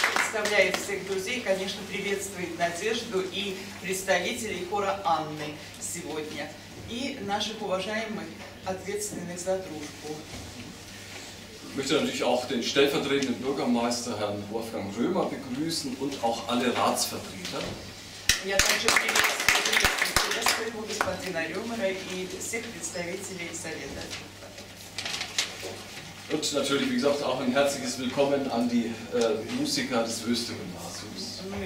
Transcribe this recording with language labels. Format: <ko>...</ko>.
<ru>Представляет всех друзей, конечно, приветствует Надежду и представителей хора Анны сегодня. И наших уважаемых ответственных за дружбу.</ru> <de>Ich möchte natürlich auch den stellvertretenden Bürgermeister Herrn Wolfgang Römer begrüßen und auch alle Ratsvertreter.</de> <ru>Я также приветствую господина Рёмера и всех представителей совета.</ru> <de>Und natürlich, wie gesagt, auch ein herzliches Willkommen an die Musiker des Wüste-Gymnasiums.</de>